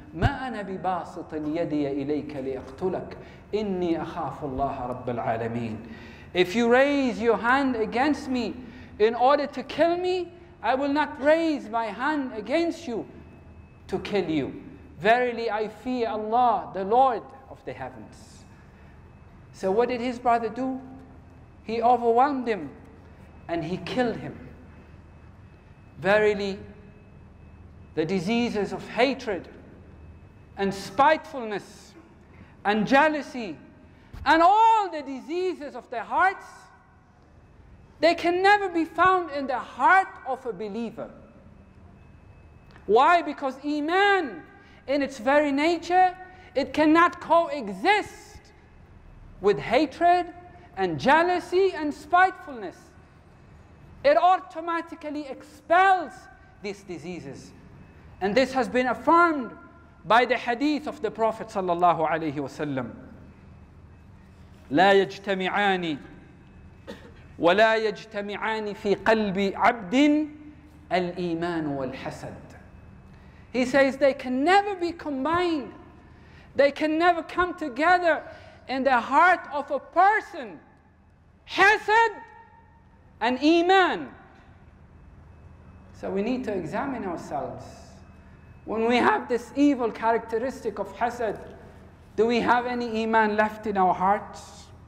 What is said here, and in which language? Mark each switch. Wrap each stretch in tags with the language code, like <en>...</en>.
<ar>ما أنا بباسط يدي إليك لأقتلك، إني أخاف الله رب العالمين.</ar> <en>If you raise your hand against me in order to kill me, I will not raise my hand against you to kill you. Verily I fear Allah, the Lord of the heavens. So what did his brother do? He overwhelmed him and he killed him. Verily, the diseases of hatred and spitefulness and jealousy and all the diseases of their hearts, they can never be found in the heart of a believer. Why? Because iman, in its very nature, it cannot coexist with hatred and jealousy and spitefulness. It automatically expels these diseases. And this has been affirmed by the hadith of the Prophet sallallahu alayhi wa sallam.</en> <ar>لا يجتمعان ولا يجتمعان في قلب عبد الإيمان والحسد.</ar> <en>He says they can never be combined. They can never come together in the heart of a person. Hasad and Iman. So we need to examine ourselves. When we have this evil characteristic of Hasad, do we have any Iman left in our hearts?</en>